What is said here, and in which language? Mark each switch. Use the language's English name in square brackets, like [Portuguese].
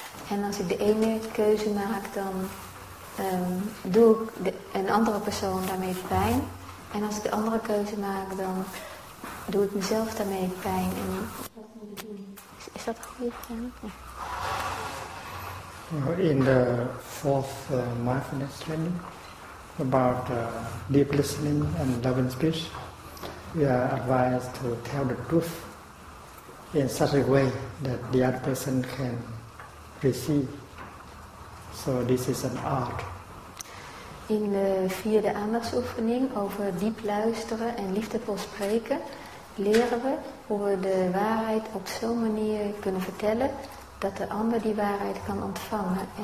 [Dutch] En als ik de ene keuze maak, dan doe ik een andere persoon daarmee pijn. En als ik de andere keuze maak, dan doe ik mezelf daarmee pijn. En is dat een goede vraag? Ja. In de [English] fourth mindfulness training. About deep listening and loving speech, we are advised to tell the truth in such a way that the other person can receive. So this is an art. [Dutch] In de vierde aandachtsoefening over diep luisteren en liefdevol spreken, leren we hoe we de waarheid op zo'n manier kunnen vertellen dat de ander die waarheid kan ontvangen.